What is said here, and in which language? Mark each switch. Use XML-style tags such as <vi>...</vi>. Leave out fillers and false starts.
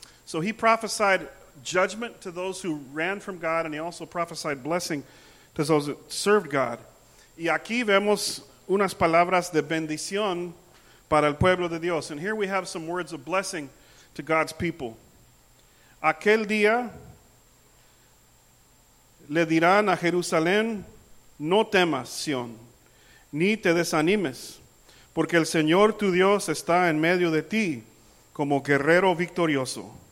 <en>So he prophesied judgment to those who ran from God, and he also prophesied blessing to those that served God.</en> <es>Y aquí vemos unas palabras de bendición para el pueblo de Dios.</es> <en>And here we have some words of blessing to God's people.</en> <es>Aquel día le dirán a Jerusalén, no temas, Sion, ni te desanimes, porque el Señor tu Dios está en medio de ti como guerrero victorioso.</es>